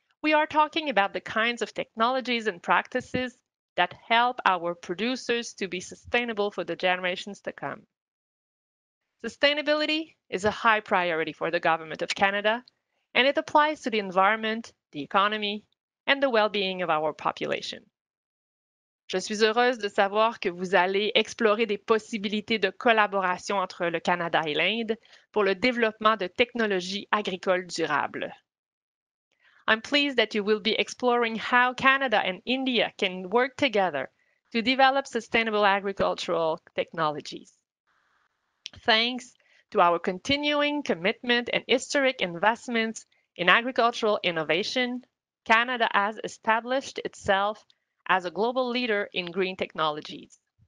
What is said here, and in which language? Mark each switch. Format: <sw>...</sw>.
<en>We are talking about the kinds of technologies and practices that help our producers to be sustainable for the generations to come. Sustainability is a high priority for the Government of Canada, and it applies to the environment, the economy, and the well-being of our population.</en> <fr>Je suis heureuse de savoir que vous allez explorer des possibilités de collaboration entre le Canada et l'Inde pour le développement de technologies agricoles durables.</fr> <en>I'm pleased that you will be exploring how Canada and India can work together to develop sustainable agricultural technologies. Thanks to our continuing commitment and historic investments in agricultural innovation, Canada has established itself as a global leader in green technologies.</en>